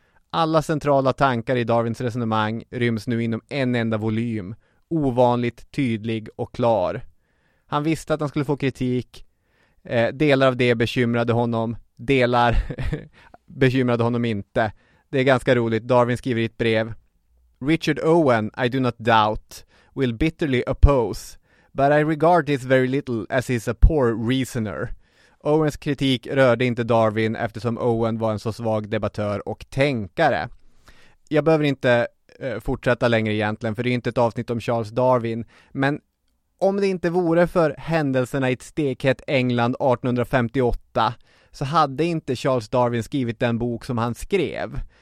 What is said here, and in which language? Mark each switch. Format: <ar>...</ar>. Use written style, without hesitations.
<sv>Alla centrala tankar i Darwins resonemang ryms nu inom en enda volym, ovanligt tydlig och klar. Han visste att han skulle få kritik, delar av det bekymrade honom, delar bekymrade honom inte. Det är ganska roligt. Darwin skriver i ett brev:</sv> <en>Richard Owen, I do not doubt, will bitterly oppose, but I regard this very little as he is a poor reasoner.</en> <sv>Owens kritik rörde inte Darwin eftersom Owen var en så svag debattör och tänkare. Jag behöver inte fortsätta längre egentligen, för det är inte ett avsnitt om Charles Darwin, men om det inte vore för händelserna i ett stekhett England 1858, så hade inte Charles Darwin skrivit den bok som han skrev.</sv>